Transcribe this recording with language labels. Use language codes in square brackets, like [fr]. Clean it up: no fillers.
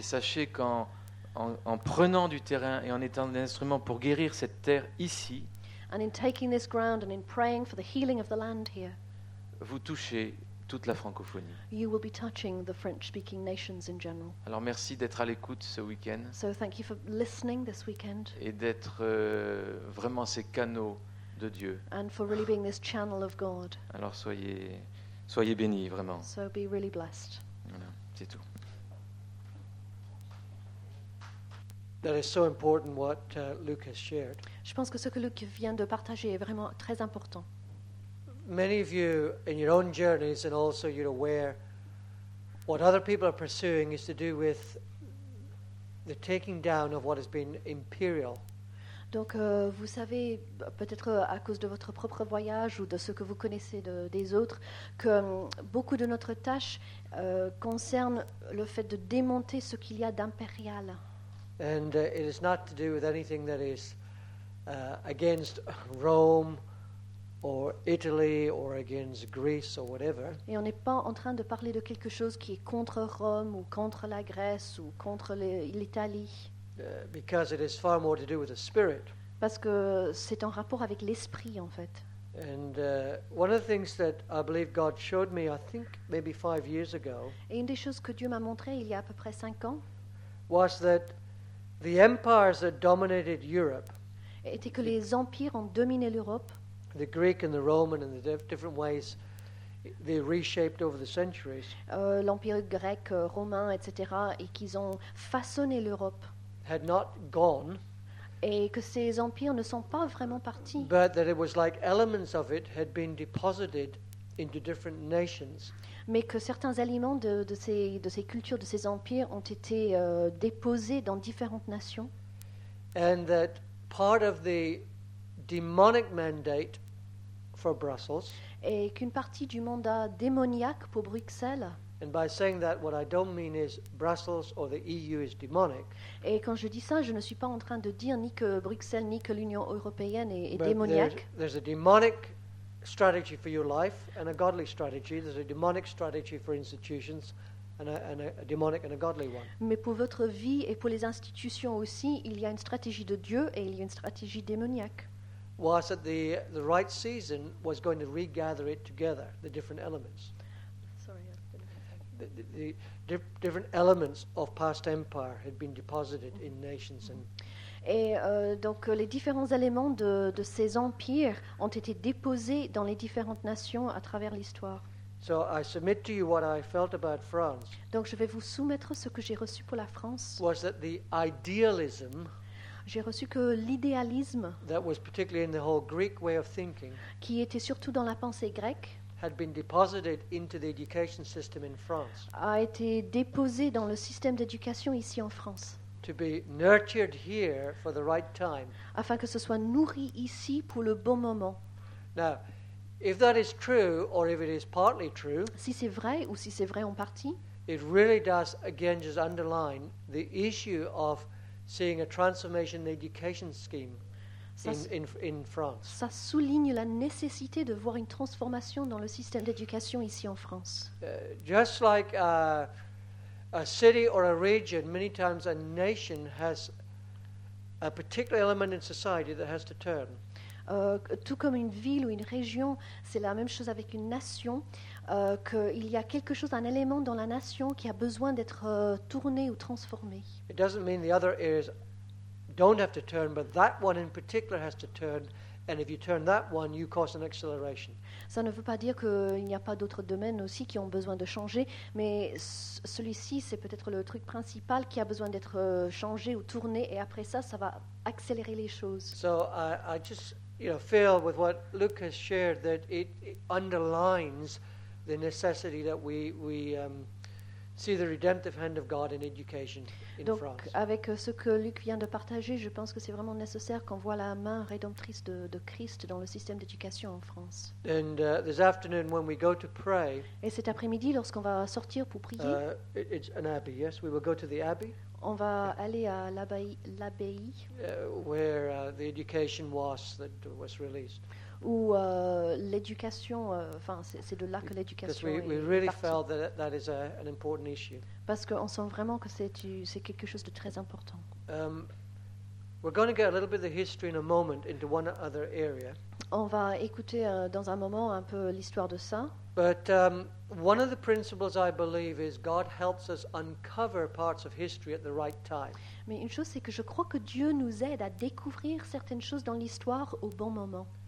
[fr] Et sachez qu'en prenant du terrain et en étant un instrument pour guérir cette terre ici. [en] And in taking this ground and in praying for the healing of the land here. [fr] Vous touchez toute la francophonie. [en] You will be touching the French-speaking nations in general. [fr] Alors merci d'être à l'écoute ce week-end. [en] So thank you for listening this weekend. [fr] Et d'être vraiment ces canaux de Dieu. [en] And for really being this channel of God. [fr] Alors soyez bénis vraiment. [en] So be really blessed. [fr] Voilà, c'est tout. [en] That is so important what Luc has shared. [fr] Je pense que ce que Luc vient de partager est vraiment très important. [en] Many of you in your own journeys and also you're aware what other people are pursuing is to do with the taking down of what has been imperial. [fr] Donc, vous savez, peut-être à cause de votre propre voyage ou de ce que vous connaissez des autres, que beaucoup de notre tâche concerne le fait de démonter ce qu'il y a d'impérial. [en] And it is not to do with anything that is against Rome or Italy or against Greece or whatever. [fr] Et on n'est pas en train de parler de quelque chose qui est contre Rome ou contre la Grèce ou contre l'Italie. [en] Because it is far more to do with the spirit. [fr] Parce que c'est en rapport avec l'esprit, en fait. [en] And one of the things that I believe God showed me, I think maybe 5 years ago. [fr] Et une des choses que Dieu m'a montré il y a à peu près 5 ans. [en] Was that the empires that dominated Europe? [fr] Était que les empires ont dominé l'Europe. [en] The Greek and the Roman and the different ways they reshaped over the centuries. [fr] L'empire grec, romain, etc., et qu'ils ont façonné l'Europe. [en] Had not gone. [fr] Et que ces empires ne sont pas vraiment partis. [en] But that it was like elements of it had been deposited into different nations. [fr] Mais que certains éléments de ces cultures, de ces empires, ont été déposés dans différentes nations. [en] And that part of the demonic mandate for Brussels. [fr] Et qu'une partie du mandat démoniaque pour Bruxelles. [en] And by saying that, what I don't mean is Brussels or the EU is demonic. [fr] Et quand je dis ça, je ne suis pas en train de dire ni que Bruxelles ni que l'Union européenne est démoniaque. [en] There's a demonic strategy for your life and a godly strategy. There's a demonic strategy for institutions and a demonic and a godly one. [fr] Mais pour votre vie et pour les institutions aussi, il y a une stratégie de Dieu et il y a une stratégie démoniaque. [en] Was that the right season was going to regather it together, the different elements. The different elements of past empire had been deposited in nations and. [fr] Et donc les différents éléments de ces empires ont été déposés dans les différentes nations à travers l'histoire. [en] So I submit to you what I felt about France. [fr] Donc je vais vous soumettre ce que j'ai reçu pour la France. [en] Was that the idealism? [fr] J'ai reçu que l'idéalisme. [en] That was particularly in the whole Greek way of thinking. [fr] Qui était surtout dans la pensée grecque. [en] Had been deposited into the education system in France. [fr] A été déposé dans le système d'éducation ici en France. [en] To be nurtured here for the right time. [fr] Afin que ce soit nourri ici pour le bon moment. [en] Now, if that is true or if it is partly true, [fr] si c'est vrai ou si c'est vrai en partie, [en] it really does again just underline the issue of seeing a transformation in the education scheme. In France. [fr] Ça souligne la nécessité de voir une transformation dans le système d'éducation ici en France. [en] Just like a city or a region, many times a nation has a particular element in society that has to turn. [fr] Tout comme une ville ou une région, c'est la même chose avec une nation, qu'il y a quelque chose, un élément dans la nation qui a besoin d'être tourné ou transformé. [en] It doesn't mean the other areas don't have to turn, but that one in particular has to turn, and if you turn that one, you cause an acceleration. [fr] Ça ne veut pas dire qu'il n'y a pas d'autres domaines aussi qui ont besoin de changer, mais celui-ci, c'est peut-être le truc principal qui a besoin d'être changé ou tourné, et après ça, ça va accélérer les choses. [en] So I just, you know, feel with what Luke has shared that it underlines the necessity that we see the redemptive hand of God in education in [fr] Donc, [en] France. [fr] Donc, avec ce que Luc vient de partager, je pense que c'est vraiment nécessaire qu'on voit la main rédemptrice de Christ dans le système d'éducation en France. [en] And this afternoon, when we go to pray. [fr] Et cet après-midi, lorsqu'on va sortir pour prier. [en] It's an abbey, yes. We will go to the abbey. [fr] On va aller à l'abbaye. [en] Where the education was that was released. [fr] Où l'éducation, enfin, c'est de là que l'éducation est partie. Parce qu'on sent vraiment que c'est quelque chose de très important. [en] We're going to get a little bit of the history in a moment into one other area. [fr] On va écouter dans un moment un peu l'histoire de ça. [en] But one of the principles I believe is God helps us uncover parts of history at the right time. [fr] Mais une chose, c'est que je crois que Dieu nous aide à découvrir certaines choses dans l'histoire au bon moment.